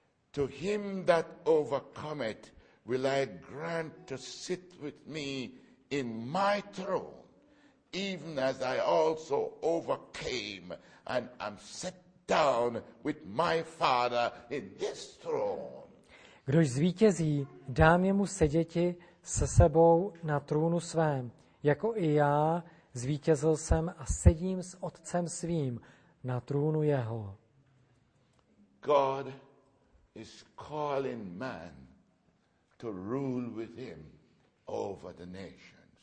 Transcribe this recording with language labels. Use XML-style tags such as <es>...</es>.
<en>To him that overcometh will I grant to sit with me in my throne, even as I also overcame and am set down with my Father in his throne.</en> <cs>Kdož zvítězí, dám jemu seděti se sebou na trůnu svém, jako i já zvítězil jsem a sedím s Otcem svým na trůnu jeho.</cs> <en>God is calling man to rule with him over the nations.</en>